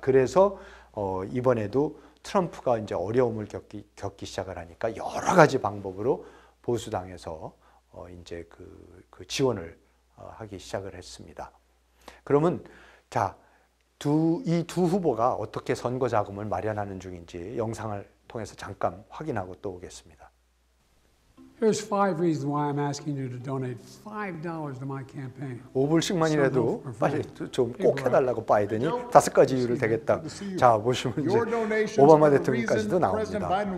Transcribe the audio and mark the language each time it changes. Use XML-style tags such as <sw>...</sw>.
<ko>그래서 이번에도 트럼프가 이제 어려움을 겪기 시작을 하니까 여러 가지 방법으로 보수당에서 이제 그 지원을 하기 시작을 했습니다. 그러면 자, 이 두 후보가 어떻게 선거 자금을 마련하는 중인지 영상을 통해서 잠깐 확인하고 또 오겠습니다.</ko> <en>Here's five reasons why I'm asking you to donate $5 to my campaign.</en> <ko>5불씩만이라도 빨리 좀 꼭 해달라고 바이든이 다섯 가지 이유를 대겠다. 자 보시면 이제 오바마 대통령까지도 나옵니다.</ko>